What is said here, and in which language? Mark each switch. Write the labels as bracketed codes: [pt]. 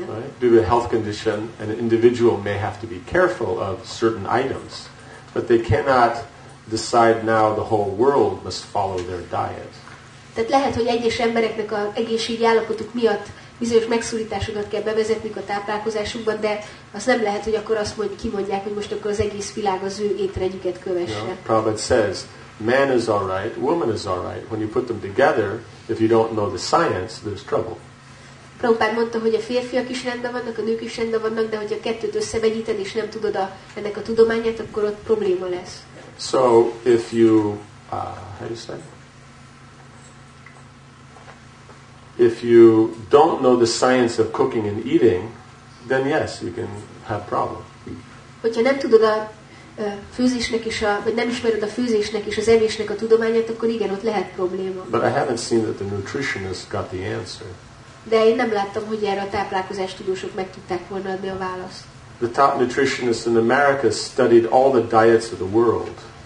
[en] Right. Due to health condition, an individual may have to be careful of certain items, but they cannot decide now the whole world must follow their diet. [hu] Tehát lehet, hogy egyes embereknek a egészségi állapotuk miatt bizonyos megszorításokat kell bevezetni a táplálkozásukban, de az nem lehet, hogy akkor azt mondják, hogy most akkor az egész világ az ő étrendjüket kövesse. [en] You know, Prabhupada says, man is all right, woman is all right. When you put them together, if you don't know the science, there's trouble. [hu] Prabhupád mondta, hogy a férfiak is rendben vannak, a nők is rendben vannak, de hogyha kettőt összevegyíted, és nem tudod ennek a tudományát, akkor ott probléma lesz. [en] So, if you, how do you say? If you don't know the science of cooking and eating, then yes, you can have problem. [hu] Hogyha nem tudod a főzésnek is, vagy nem ismered a főzésnek és az evésnek a tudományát, akkor igen, ott lehet probléma. [en] But I haven't seen that the nutritionist got the answer. [hu] De én nem láttam, hogy erre a táplálkozás tudósok meg tudták volna adni a választ. [en] The top nutritionists in America studied all the diets of the world.